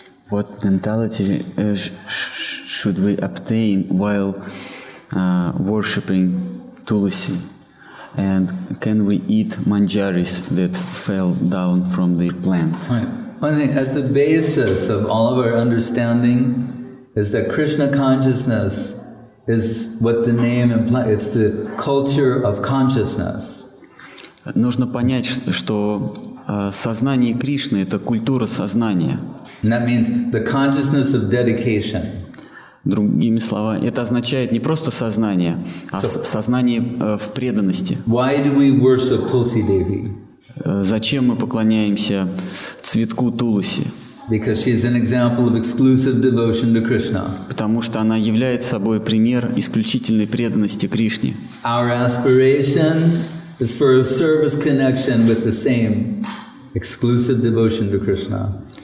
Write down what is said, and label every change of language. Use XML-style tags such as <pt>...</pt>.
<en>What mentality should we obtain while worshipping Tulasi? And can we eat manjaris that fell down from the plant? Right. One thing, at the basis of all of our understanding is that Krishna consciousness is what the name implies. It's the culture of consciousness.</en> <ru>Нужно понять, что сознание Кришны — это культура сознания.</ru> <en>And that means the consciousness of dedication.</en> <ru>Другими словами, это означает не просто сознание, а сознание в преданности.</ru> <en>Why do we worship Tulsi Devi?</en> <ru>Зачем мы поклоняемся цветку Туласи?</ru> <en>Because she is an example of exclusive devotion to Krishna.</en> <ru>Потому что она является собой пример исключительной преданности Кришне.</ru> <en>Our aspiration is for a service connection with the same exclusive devotion to Krishna.</en>